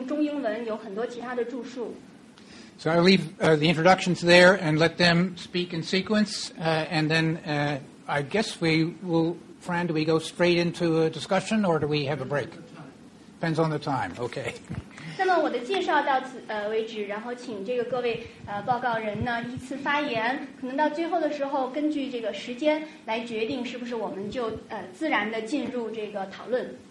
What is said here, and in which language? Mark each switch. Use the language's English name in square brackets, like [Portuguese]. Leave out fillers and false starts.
[Chinese] 那么王老师的王教授的著作非常的繁多，我不一一列举，我就想提一下的是他非常重要的一个英语著作，就是研究五四运动时期妇女在启蒙运动当中的作用。那么我认为这个是对于这个五四运动的一个贡献非常大的一个非常重要的一本书。当然他还就是用中英文有很多其他的著述。 [English] So I'll leave the introductions there and let them speak in sequence, and then I guess we will, Fran, do we go straight into a discussion or do we have a break? Depends on the time. Okay. [Chinese] 那么我的介绍到此为止，然后请这个各位报告人呢依次发言，可能到最后的时候根据这个时间来决定是不是我们就自然的进入这个讨论。